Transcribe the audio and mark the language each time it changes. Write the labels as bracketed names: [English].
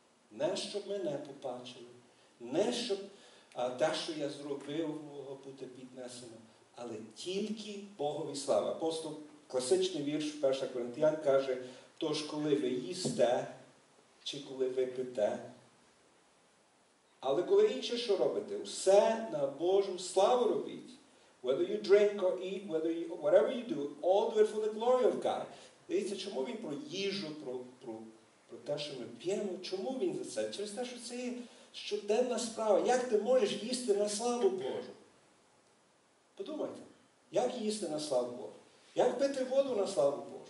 [Ukrainian] Не щоб мене побачили, не щоб те, що я зробив, буде піднесено, але тільки Богові слава. Апостол, класичний вірш в 1 Коринтян каже, тож коли ви їсте, чи коли ви пите, але коли інше що робите, все на Божу славу робіть. [English] Whether you drink or eat, whatever you do, all do it for the glory of God. [Ukrainian] Дивіться, чому він про їжу, про те, що ми п'ємо, чому він за це? Через те, що це є щоденна справа. Як ти можеш їсти на славу Божу? Подумайте, як їсти на славу Божу? Як пити воду на славу Божу?